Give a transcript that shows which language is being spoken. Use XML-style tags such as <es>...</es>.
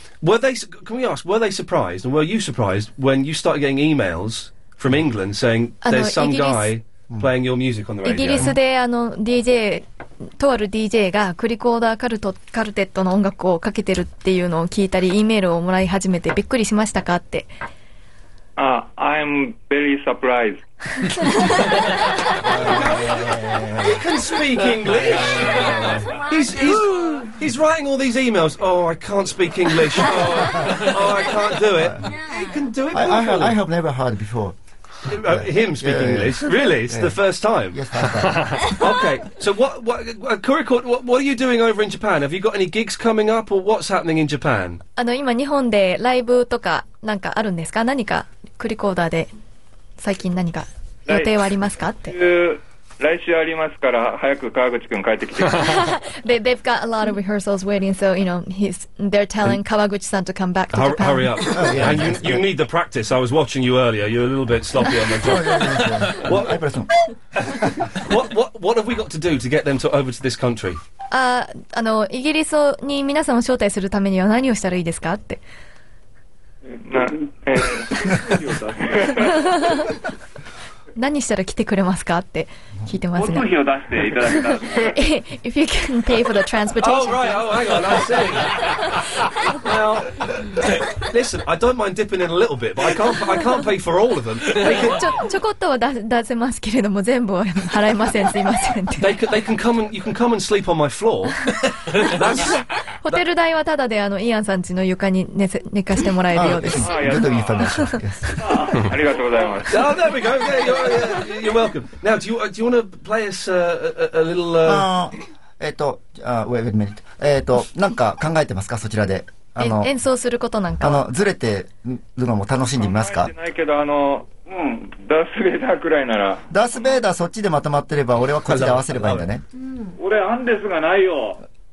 <en>Were they, can we ask, were they surprised, and were you surprised when you started getting emails from England saying there's some guy playing your music on the radio?</en> <ja>イギリスで、DJとある DJ がクリコーダーカルテットの音楽をかけてるっていうのを聞いたり、E メールをもらい始めてびっくりしましたかって。</ja> <en>I'm very surprised. He can speak English. He's writing all these emails. Oh, I can't speak English. Oh, I can't do it. He can do it. I have never heard before. Him speaking English. Really? It's the first time? Yes, I have. Okay. So Kurikot, what are you doing over in Japan? Have you got any gigs coming up or what's happening in Japan?</en> <ja>今日本でライブとかなんかあるんですか？何かクリコーダーで最近何か予定はありますかって。来週ありますから早く川口くん帰ってきて。</ja> <en>They've got a lot of rehearsals waiting, so you know they're telling 川口さん to come back to Japan. Hurry up! Yeah, and you need the practice. I was watching you earlier. You're a little bit sloppy on the job. what have we got to do to get them to over to this country?</en> <ja>イギリスに皆さんを招待するためには何をしたらいいですかって。何したら来てくれますかって聞いてますね。交通費を出していただけたら。</ja> <en>If you can pay for the transportation. Oh, right. Oh, hang on. I see. Now, listen, I don't mind dipping in a little bit, but I can't pay for all of them.</en> <ja>ちょこっとは出せますけれども、全部は払えません。すいません。</ja> <en>You can come and sleep on my floor.</en> <ja>ホテル代はただで、イアンさんちの床に寝かしてもらえるようです。ありがとうございます。ありがとうございます。</ja> <en>Oh, there we go. Okay. You're welcome. Now, do you want to play us a little? Wait a minute.</en> <ja>なんか考えてますかそちらで演奏することなんか。ずれてるのも楽しんでみますか。考えてないけどダースベイダーくらいなら。ダースベイダーそっちでまとまってれば、俺はこっちで合わせればいいんだね。俺アンデスがないよ。</ja>